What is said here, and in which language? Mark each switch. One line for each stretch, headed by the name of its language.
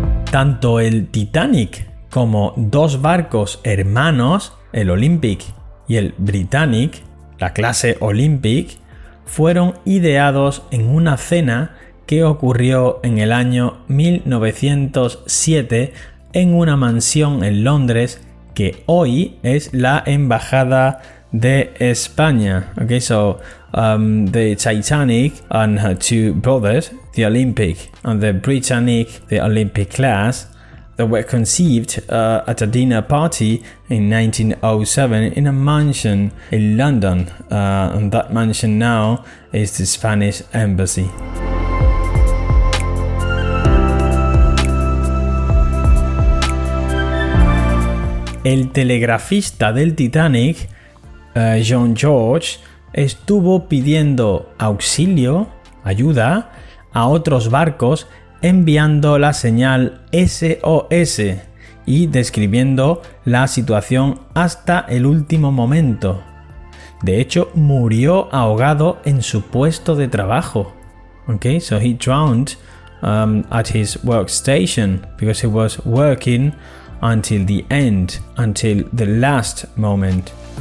Spanish: Tanto el Titanic como dos barcos hermanos, el Olympic y el Britannic, la clase Olympic, fueron ideados en una cena que ocurrió en el año 1907 en una mansión en Londres que hoy es la embajada de España.
English: Okay, so the Titanic and her two brothers, the Olympic and the Britannic, the Olympic class, that were conceived at a dinner party in 1907 in a mansion in London. And that mansion now is the Spanish Embassy.
Spanish: El telegrafista del Titanic, John George, estuvo pidiendo auxilio, ayuda, a otros barcos enviando la señal SOS y describiendo la situación hasta el último momento. De hecho, murió ahogado en su puesto de trabajo.
English: Okay, so he drowned at his workstation because he was working until the end, until the last moment.